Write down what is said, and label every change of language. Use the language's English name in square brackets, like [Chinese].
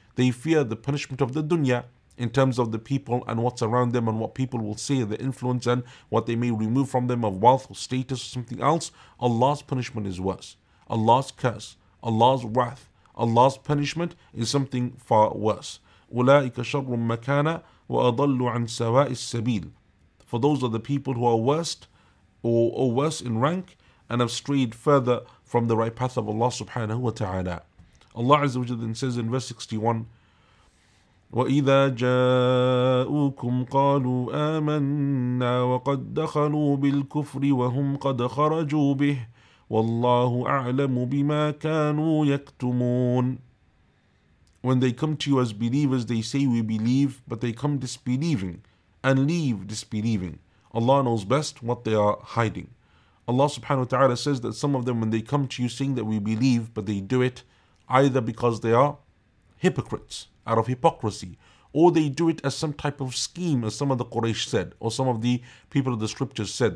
[English] They fear the punishment of the dunya in terms of the people and what's around them and what people will say, the influence and what they may remove from them of wealth or status or something else. Allah's punishment is worse. Allah's curse, Allah's wrath, Allah's punishment is something far worse. [Arabic] أُولَٰئِكَ شَرٌ مَكَانَ وَأَضَلُّ عَنْ سَوَاءِ السَّبِيلِ. [English] For those are the people who are worst or worse in rank and have strayed further from the right path of Allah subhanahu wa ta'ala. Allah Azza wa Jalla says in verse 61, [Arabic] وَإِذَا جَاءُوكُمْ قَالُوا آمَنَّا وَقَدْ دَخَلُوا بِالْكُفْرِ وَهُمْ قَدْ خَرَجُوا بِهِ وَاللَّهُ أَعْلَمُ بِمَا كَانُوا يَكْتُمُونَ. [English] When they come to you as believers, they say we believe, but they come disbelieving and leave disbelieving. Allah knows best what they are hiding. Allah subhanahu wa ta'ala says that some of them, when they come to you saying that we believe, but they do it either because they are hypocrites out of hypocrisy, or they do it as some type of scheme, as some of the Quraysh said, or some of the people of the scriptures said.